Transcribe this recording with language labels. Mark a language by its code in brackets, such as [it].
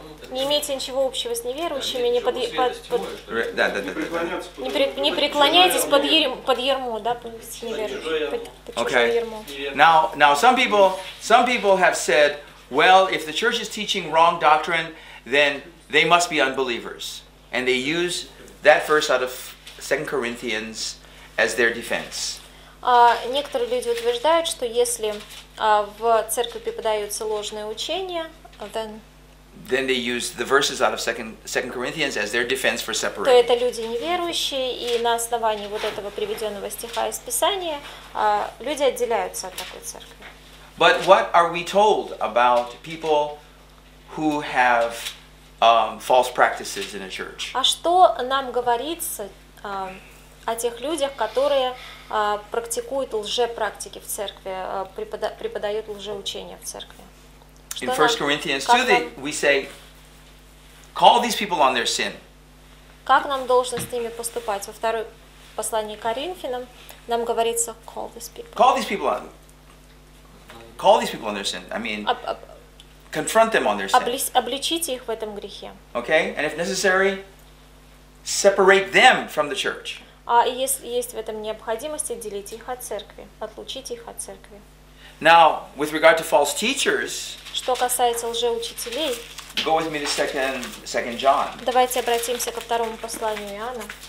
[ru] Не имейте ничего общего с неверующими, не преклоняйтесь под ярмо, да, с неверующими. [en] Okay. Now some people have said, well, if the church is teaching wrong doctrine, then they must be unbelievers, and they use that verse out of 2 Corinthians as their defense. [ru] Некоторые люди утверждают, что если в церкви преподаются ложные учения, [en] then they use the verses out of Second Corinthians as their defense for separating. [ru] То это люди неверующие, и на основании вот этого приведенного стиха из Писания люди отделяются от такой церкви. [en] But what are we told about people who have false practices in a church? [ru] А что нам говорится о тех людях, которые практикуют лжепрактики в церкви, преподают лжеучения в церкви? [en] In 1 Corinthians 2, we say, call these people on their sin. [ru] Как нам должно с ними поступать? Во втором послании к Коринфянам нам говорится, [en] call these people. Call these people on their sin. I mean, confront them on their sin. [ru] Обличите их в этом грехе. [en] Okay, and if necessary, separate them from the church. [ru] А если есть в этом необходимость, отделите их от церкви, отлучите их от церкви. [en] Now, with regard to false teachers, [ru] что касается лжеучителей, [en] go with me to second John. [ru] Давайте обратимся ко второму посланию Иоанна.